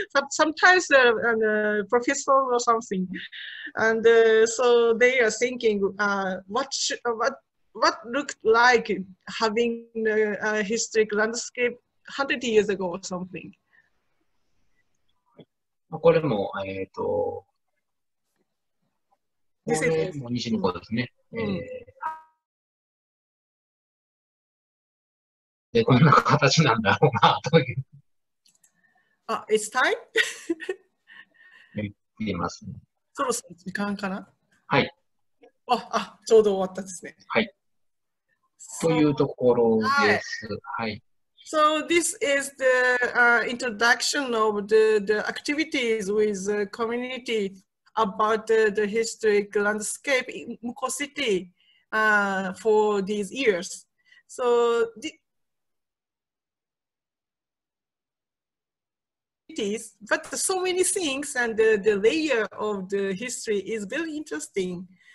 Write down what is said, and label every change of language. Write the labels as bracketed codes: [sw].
[en] Sometimes a professor or something. And so they are thinking what looked like having a historic landscape 100 years ago or something. [ja] これも、これも西向こうですね。で、こんな形なんだろうなという。 [en] あ、It's time? [ja] 言っていますね。そろそろ時間かな？はい。あ、ちょうど終わったですね。はい。というところです。はい。 [en] So this is the introduction of the activities with the community. About the historic landscape in Muko City for these years. So, but so many things and the layer of the history is very interesting.